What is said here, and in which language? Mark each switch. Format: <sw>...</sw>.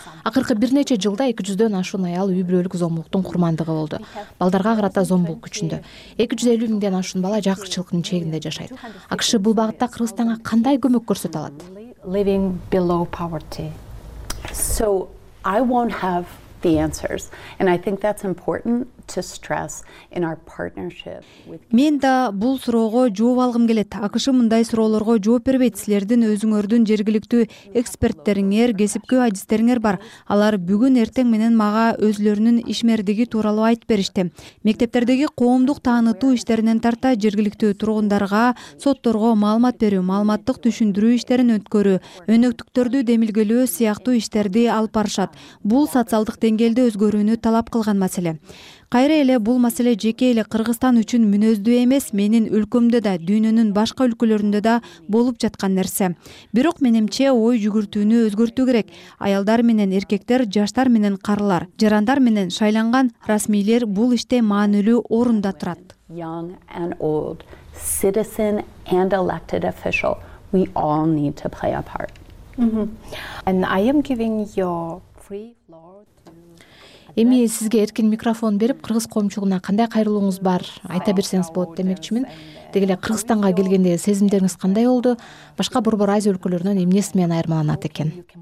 <ky>Акыркы бир нече жылда 200 ашуун аял үй бүлөлүк зомбулуктун курмандыгы болду. Балдарга карата зомбулук күчүндө. 250 000 ашуун бала жакырчылыктын чегинде жашайт. АКШ бул багытта Кыргызстанга кандай көмөк көрсөтө алат?</ky> <en>The answers, and I think that's important to stress in our partnership with</en> <ky>Мен да бул суроого жооп алгым келет. АКШ мындай суроолорго жооп бербейт. Силердин өзүңөрдүн жергиликтүү эксперттериңер, кесипкөй адистериңер бар. Алар бүгүн эртең менен мага өзлөрүнүн ишмердиги тууралуу айтып беришти. Мектептердеги коомдук таанытуу иштеринен тарта жергиликтүү тургундарга, сотторго маалымат берүү, маалыматтык түшүндүрүү иштерин өткөрүү, өнөктүктөрдү демилгелөө сыяктуу иштерди алып барышат. Бул социалдык деңгээлде өзгөрүүнү талап кылган маселе. Кайра эле бул маселе жеке эле Кыргызстан үчүн мүнөздүү эмес, менин өлкөмдө да, дүйнөнүн башка өлкөлөрүндө да болуп жаткан нерсе. Бирок менимче ой жүгүртүүнү өзгөртүү керек. Аялдар менен эркектер, жаштар менен карылар, жарандар менен шайланган расмийлер бул иште маанилүү орунда турат.</ky> <en>Young and old, citizen and elected official, we all need to play a part. And I am giving your free floor.</en> <ky>Эми сизге эркин микрофон берип, кыргыз коомчулугуна кандай кайрылууңуз бар айта берсеңиз болот демекчимин. Деги эле Кыргызстанга келгендеги сезимдериңиз кандай болду? Башка борбор Азия өлкөлөрүнөн эмнеси менен айырмаланат экен?</ky>